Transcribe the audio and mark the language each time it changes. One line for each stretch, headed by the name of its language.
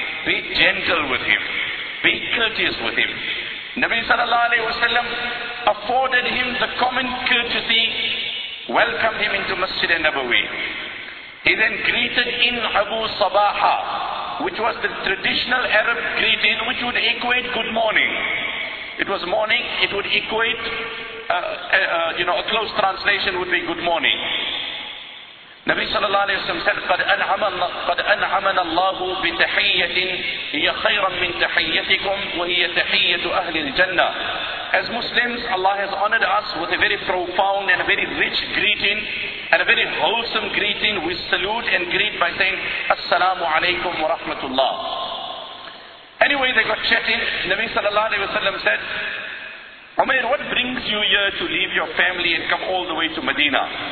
English: Be gentle with him. Be courteous with him. Nabi sallallahu alaihi wasallam afforded him the common courtesy, welcomed him into Masjid al-Nabawi. He then greeted in Abu Sabaha, which was the traditional Arab greeting, which would equate good morning. It was morning, it would equate, a close translation would be good morning. Nabi sallallahu alayhi wa sallam said,
Arabic: قَدْ أَنْعَمَنَ اللَّهُ بِتَحِيَّةٍ هِيَ خَيْرًا مِنْ تَحِيَّتِكُمْ وَهِيَ تَحِيَّةُ أَهْلِ الْجَنَّةِ.
English: As Muslims, Allah has honored us with a very profound and a very rich greeting and a very wholesome greeting. We salute and greet by saying,
Arabic: Assalamu alaykum wa rahmatullah.
English: Anyway, they got chatting. Nabi sallallahu alayhi wa sallam said, Umair, what brings you here to leave your family and come all the way to Medina?